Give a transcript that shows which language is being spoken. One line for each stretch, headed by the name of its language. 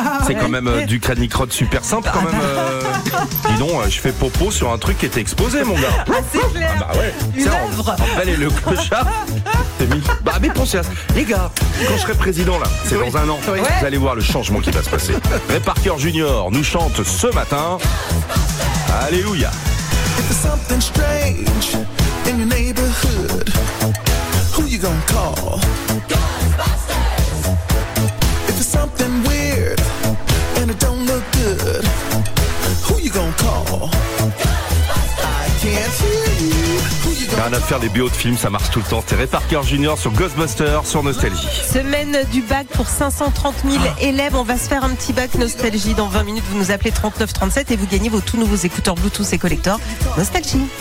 French: C'est quand même du canicrotte super simple quand même. Dis donc, je fais popo sur un truc qui était exposé, mon gars. Ah, c'est clair. Une œuvre. Le clochard, c'est mis. Mais pensez à ça. Les gars, quand je serai président là, c'est dans un an. Ouais. Vous allez voir le changement qui va se passer. Ray Parker Jr. nous chante ce matin. Alléluia.
English: If there's something strange in your neighborhood, who you gonna call? Ghostbusters. If there's something weird and it don't look good, who you gonna call?
French: Rien à faire des BO de films, ça marche tout le temps. C'est Ray Parker Jr. sur Ghostbusters, sur Nostalgie. Semaine du bac pour 530 000 élèves. On va se faire un petit bac Nostalgie. Dans 20 minutes, vous nous appelez 3937 et vous gagnez vos tout nouveaux écouteurs Bluetooth et collecteurs Nostalgie.